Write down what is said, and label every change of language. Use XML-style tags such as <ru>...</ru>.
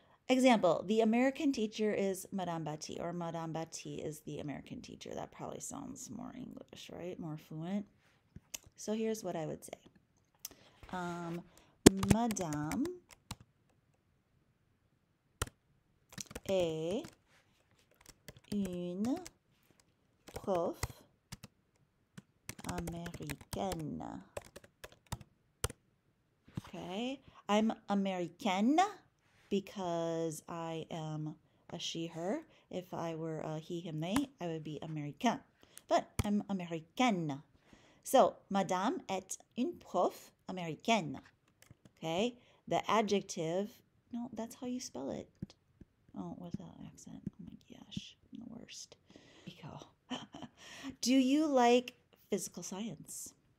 <en>Example, the American teacher is Madame Batty, or Madame Batty is the American teacher. That probably sounds more English, right? More fluent. So here's what I would say.</en> <fr>Madame est une prof américaine.</fr> <en>Okay, I'm Americaine because I am a she, her. If I were a he, him, they, I would be Americain. But I'm Americaine.</en> <fr>So, Madame est une prof Americaine.</fr> <en>Okay, the adjective, no, that's how you spell it. Oh, with that accent, oh my gosh, I'm the worst. Do you like physical science?</en>